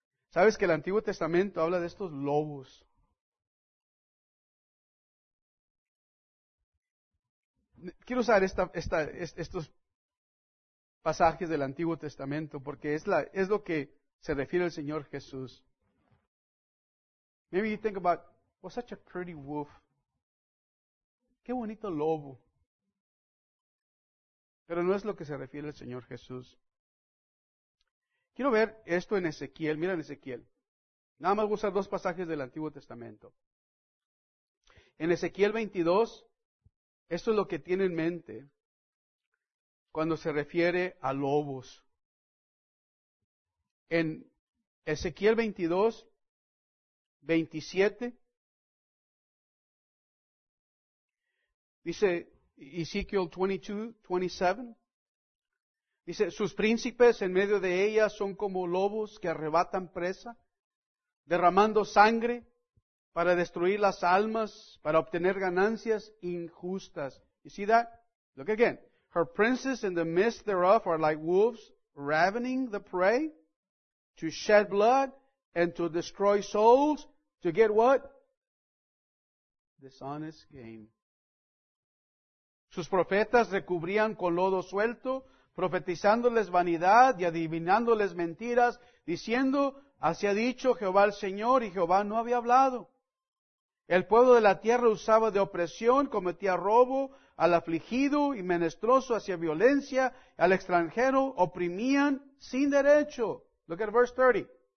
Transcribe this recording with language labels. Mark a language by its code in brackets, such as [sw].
[es] ¿Sabes que el Antiguo Testamento habla de estos lobos? Quiero usar estos pasajes del Antiguo Testamento porque es lo que se refiere el Señor Jesús. [en] Maybe you think about, well, such a pretty wolf. [es] Qué bonito lobo. Pero no es lo que se refiere el Señor Jesús. Quiero ver esto en Ezequiel. Mira en Ezequiel. Nada más voy a usar dos pasajes del Antiguo Testamento. En Ezequiel 22, esto es lo que tiene en mente cuando se refiere a lobos. En Ezequiel 22, 27, dice Ezequiel 22, 27, dice, sus príncipes en medio de ella son como lobos que arrebatan presa, derramando sangre para destruir las almas, para obtener ganancias injustas. [en] You see that? Look again. Her princes in the midst thereof are like wolves ravening the prey to shed blood and to destroy souls to get what? Dishonest gain. [es] Sus profetas recubrían con lodo suelto, profetizándoles vanidad y adivinándoles mentiras, diciendo, así ha dicho Jehová el Señor, y Jehová no había hablado. El pueblo de la tierra usaba de opresión, cometía robo al afligido y menestroso, hacía violencia al extranjero, oprimían sin derecho. [en] Look at verse 30.